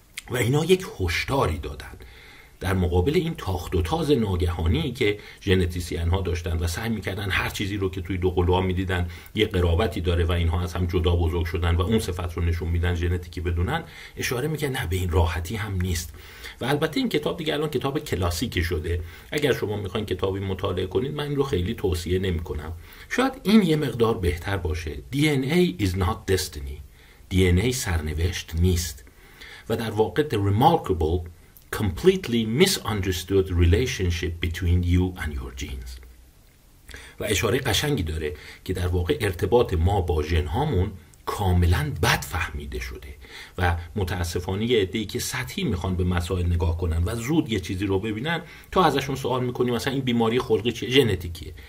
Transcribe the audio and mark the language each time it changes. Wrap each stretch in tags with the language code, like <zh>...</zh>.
<fa>و اینا یک هشداری دادن در مقابل این تاخت و تاز ناگهانی که ژنتیسیان‌ها داشتن و سعی می‌کردن هر چیزی رو که توی دوقلوها می‌دیدن یه قرابتی داره و اینها از هم جدا بزرگ شدن و اون صفت رو نشون میدن ژنتیکی بدونن، اشاره می‌کنه نه به این راحتی هم نیست. و البته این کتاب دیگه الان کتاب کلاسیک شده، اگر شما می‌خواید کتابی مطالعه کنید من این رو خیلی توصیه نمی‌کنم، شاید این یه مقدار بهتر باشه.</fa> <en>DNA is not destiny، DNA</en> <fa>سرنوشت نیست. و در واقع</fa> <en>the remarkable completely misunderstood relationship between you and your genes.</en> <fa>و اشاره قشنگی داره که در واقع ارتباط ما با ژن‌هامون کاملا بد فهمیده شده و و متاسفانه یه عده‌ای که سطحی میخوان به مسائل نگاه کنن و زود یه چیزی رو ببینن، تو ازشون سوال میکنی مثلا این بیماری خلقی چیه؟ ژنتیکیه.</fa>